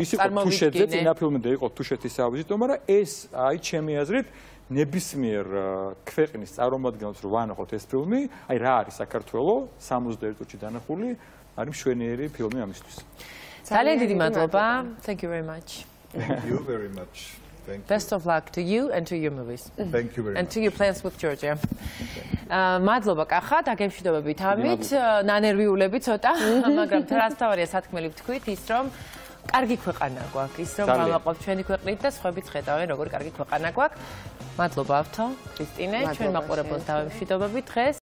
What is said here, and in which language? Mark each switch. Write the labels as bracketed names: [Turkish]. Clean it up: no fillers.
[Georgian] ის იყო თუშეთზე, წინა ფილმამდე იყო თუშეთის სავიზიტო, მაგრამ ეს აი ჩემი აზრით ნებისმიერ ქვეყნის წარმომადგენელს რო ვანახოთ ეს ფილმი, აი რა არის საქართველო 61 წუთში დანახული, არის მშვენიერი ფილმი ამისთვის. ძალიან დიდი მადლობა. [English] Thank you very much. You very much. Best of luck to you and to your movies. Thank you very much. And to your plans with Georgia. [Georgian] მადლობა კახა, დაგემშვიდობებით ამით, ნანერვიულები ცოტა, მაგრამ თანასწორია სათქმელი ვთქვით ის, რომ კარგი ქვეყანა გვაქვს, ის რომ გამოყოფ ჩვენი ქვეყნით და სხვებიც ხედავენ, როგორ კარგი ქვეყანა გვაქვს. მადლობა ავთო, ქრისტინე, ჩვენ მაყურებელს დავემშვიდობებით დღეს.